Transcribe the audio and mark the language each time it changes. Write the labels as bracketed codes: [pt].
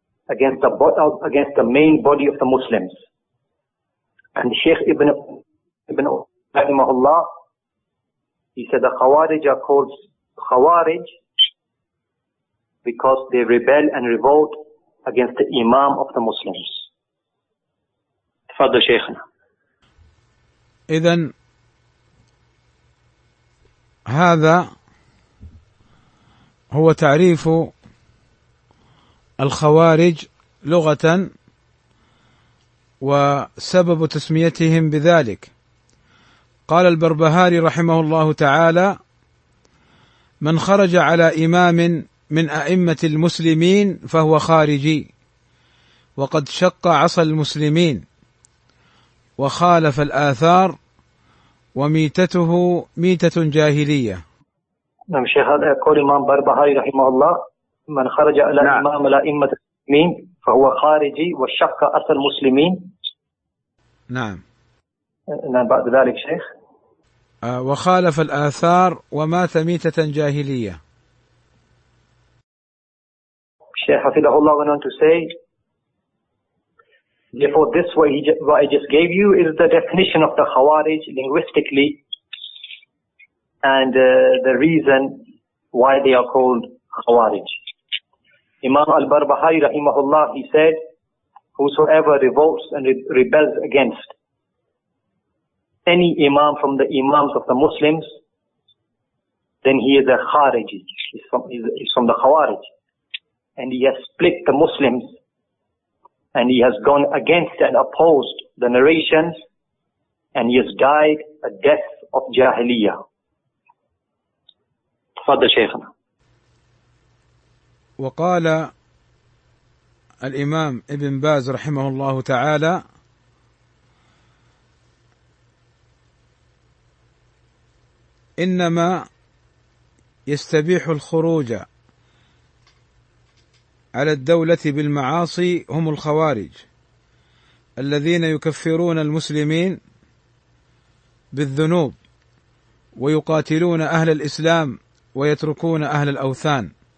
[en] against the main body of the Muslims. And Sheikh Ibn Rahimahullah, he said the Khawarij are called Khawarij because they rebel and revolt against the Imam of the Muslims. [ar] Tafadhal Shaykhna. إذن هذا هو تعريف الخوارج لغة وسبب تسميتهم بذلك. قال البربهاري رحمه الله تعالى: من خرج على إمام من أئمة المسلمين فهو خارجي، وقد شق عصا المسلمين وخالف الآثار، وميتته ميتة جاهلية. نعم شيخ، هذا يقول الإمام البربهاري رحمه الله: من خرج على إمام الأئمة المسلمين فهو خارجي وشق عصا المسلمين. نعم. نعم بعد ذلك شيخ. وخالف الآثار ومات ميتة جاهلية. شيخ حفظه الله، [en] went on to say, therefore, this what I just gave you is the definition of the Khawarij linguistically, and the reason why they are called Khawarij. Imam al-Barbahari rahimahullah, he said, whosoever revolts and rebels against any imam from the imams of the Muslims, then he is a Khawarij. He's from the Khawarij, and he has split the Muslims, and he has gone against and opposed the narrations, and he has died a death of jahiliyyah. [ar] Tafadhal Shaykhna. وقال الإمام ابن باز رحمه الله تعالى: إنما يستبيح الخروج على الدولة بالمعاصي هم الخوارج الذين يكفرون المسلمين بالذنوب ويقاتلون أهل الإسلام ويتركون أهل الأوثان.